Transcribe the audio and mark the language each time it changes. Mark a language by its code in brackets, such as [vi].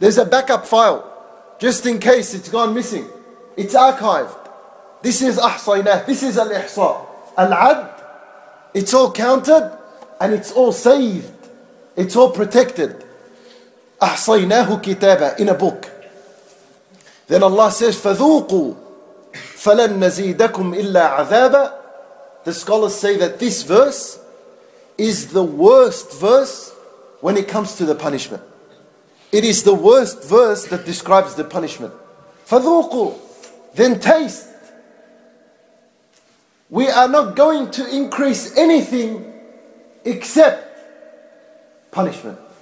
[en] There's a backup file, just in case it's gone missing. It's archived. This is أحصيناه. This is al-ihsa. Al-Ad, it's all counted and it's all saved. It's all protected. [ar] أحصيناه كتابا, [en] in a book. Then Allah says, [ar] فَذُوقُوا فَلَن نَزِيدَكُمْ إِلَّا عَذَابًا. [en] The scholars say that this verse is the worst verse when it comes to the punishment. It is the worst verse that describes the punishment. فَذُوقُوا, then taste. We are not going to increase anything except punishment.